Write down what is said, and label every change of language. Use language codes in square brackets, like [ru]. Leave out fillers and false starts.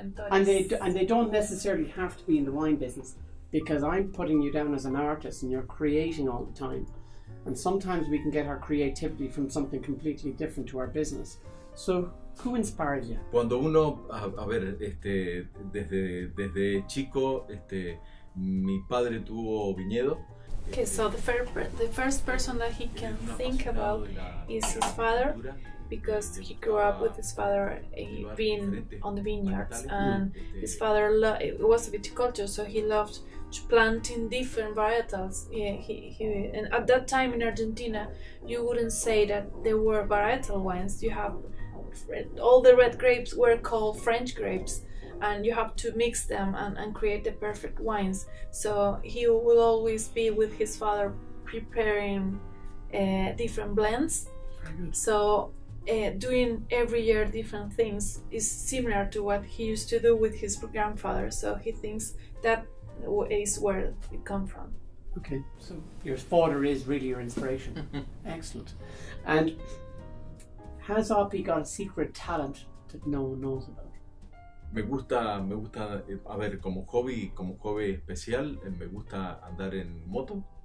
[en] And they don't necessarily have to be in the wine business, because I'm putting you down as an artist and you're creating all the time. And sometimes we can get our creativity from something completely different to our business. So who inspires you? [es] Cuando uno, a ver, desde chico, mi padre tuvo viñedo. [en] Okay, so the first person that he can think about is his father, because he grew up with his father being on the vineyards, and his father it was a viticulture, so he loved to plant in different varietals. And at that time in Argentina, you wouldn't say that there were varietal wines. You have all the red grapes were called French grapes, and you have to mix them and create the perfect wines. So he will always be with his father preparing different blends. Very good. So doing every year different things is similar to what he used to do with his grandfather. So he thinks that is where it comes from. Okay, so your father is really your inspiration. Excellent. And has Opi got a secret talent that no one knows about? [es] Me gusta, a ver, como hobby especial, me gusta andar en moto.